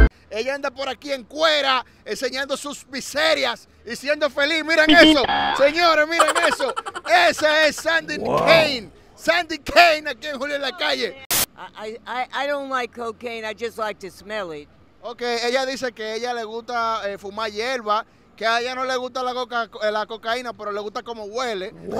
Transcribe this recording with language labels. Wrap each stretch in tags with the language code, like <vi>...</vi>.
<es>Ella anda por aquí en cuera, enseñando sus miserias y siendo feliz. ¡Miren eso! ¡Señores, miren eso! ¡Esa es Sandy Cain! ¡Sandy Cain aquí en Julio en la Calle!</es> <en>I don't like cocaine, I just like to smell it.</en> <es>Okay, ella dice que a ella le gusta fumar hierba, que a ella no le gusta la cocaína, pero le gusta como huele.</es>